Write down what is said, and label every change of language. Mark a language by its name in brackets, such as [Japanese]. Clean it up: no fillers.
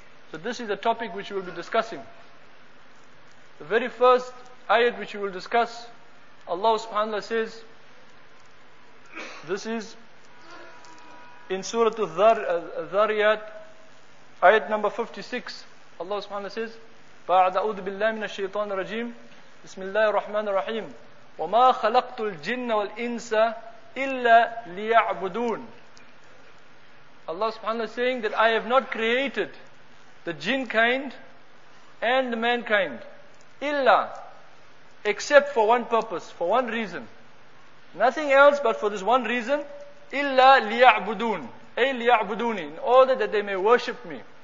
[English] So this is a topic which we will be discussing. The very first ayat which we will discuss, Allah subhanahu wa ta'ala says, this is in Surah Al-Dhariyat, ayat number 56. Allah subhanahu wa ta'ala says, [Arabic] فَأَعْدَ أُوذُ بِاللَّهِ مِنَ الشَّيْطَانِ الرَّجِيمِ بِسْمِ اللَّهِ الرَّحْمَنِ الرَّحِيمِ وَمَا خَلَقْتُ الْجِنَّ وَالْإِنسَ إِلَّا لِيَعْبُدُونَ. [English] Allah subhanahu wa ta'ala saying that I have not created the jinn kind and the mankind, illa, except for one purpose, for one reason. Nothing else but for this one reason, [Arabic] illa liya'budun, ay liya'buduni, [English] in order that they may worship me.